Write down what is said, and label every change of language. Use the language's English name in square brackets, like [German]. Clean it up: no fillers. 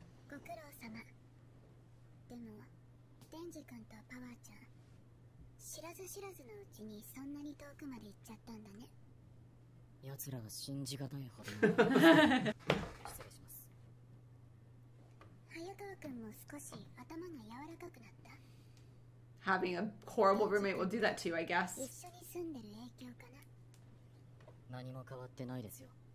[Japanese] 知らず知らずのうちにそんなに遠くまで行っちゃったんだね。奴らは信じがたいほど。失礼します。早川君も少し頭が柔らかくなった。 [English] Having a horrible roommate will do that to you, I guess. [Japanese] 一緒に住んでる影響かな。何も変わってないですよ。